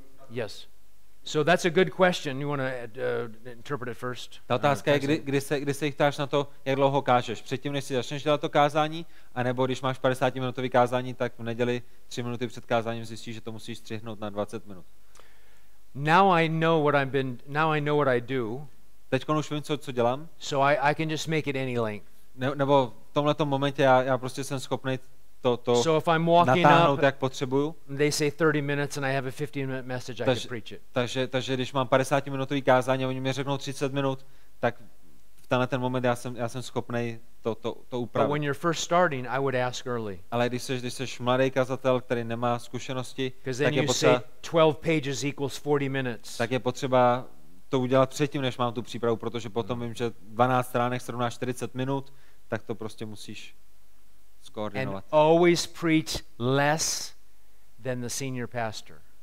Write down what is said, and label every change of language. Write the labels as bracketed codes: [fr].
[en] Yes. So that's a good question. You want to interpret it first. [cs] Ta otázka je, kdy se jich ptáš na to, jak dlouho kážeš. Předtím, než si začneš dělat to kázání, anebo když máš 50-minutový kázání, tak v neděli 3 minuty před kázáním zjistíš, že to musíš střihnout na 20 minut. [en] Now I know what I do. [cs] Teďkon už vím, co dělám. [en] So I can just make it any length. [cs] Nebo v tomhletom momentě já prostě jsem schopný to [en] so if I'm walking up, [cs] jak potřebuju. [en] They say 30 minutes and I have a 15-minute message, I can preach it. [cs] Takže když mám 50-minutový kázání a oni mi řeknou 30 minut, tak v tenhle ten moment já jsem schopný to upravit. [en] But when you're first starting, I would ask early. [cs] Ale když jsi mladý kazatel, který nemá zkušenosti, tak je potřeba, [en] say 12 pages equals 40 minutes. [cs] Tak je potřeba to udělat předtím, než mám tu přípravu, protože potom vím, že 12 stránek se rovná 40 minut, tak to prostě musíš. [en] And always preach less than the senior pastor.